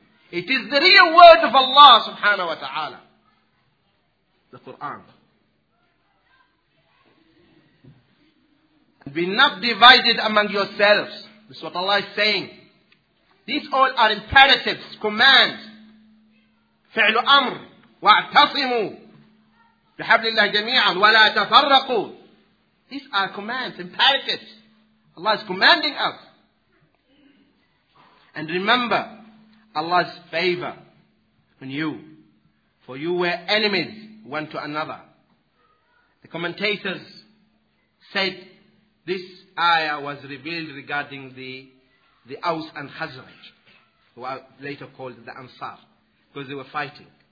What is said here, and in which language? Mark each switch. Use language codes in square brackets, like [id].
[en] It is the real word of Allah subhanahu wa ta'ala. The Quran. Be not divided among yourselves. This is what Allah is saying. These all are imperatives, commands. [ar] فعل أمر واعتصموا بحبل الله جميعا ولا تفرقوا. [en] These are commands, imperatives. Allah is commanding us. And remember Allah's favor on you. For you were enemies one to another. The commentators said this ayah was revealed regarding the Aus and Khazraj, who are later called the Ansar, because they were fighting.